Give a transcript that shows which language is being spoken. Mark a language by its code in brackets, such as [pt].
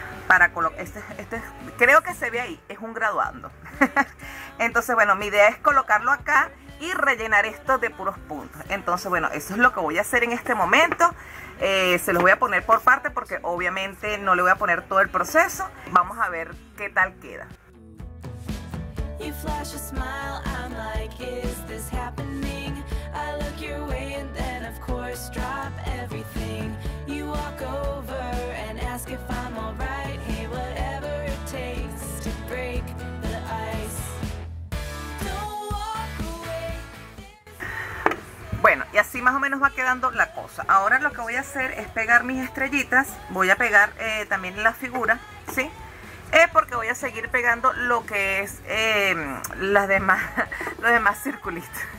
[es] Para colocar, creo que se ve ahí, es un graduando. Entonces, bueno, mi idea es colocarlo acá y rellenar esto de puros puntos. Entonces, bueno, eso es lo que voy a hacer en este momento. Se los voy a poner por parte porque obviamente no le voy a poner todo el proceso. Vamos a ver qué tal queda. [en] You flash a smile, I'm like, is this happening? I look your way and then of course drop everything. You walk over and ask if I'm alright. Hey, whatever it takes to break the ice. Don't walk away. [es] Bueno, y así más o menos va quedando la cosa. Ahora lo que voy a hacer es pegar mis estrellitas. Voy a pegar también la figura, ¿sí? Es porque voy a seguir pegando lo que es los demás circulitos.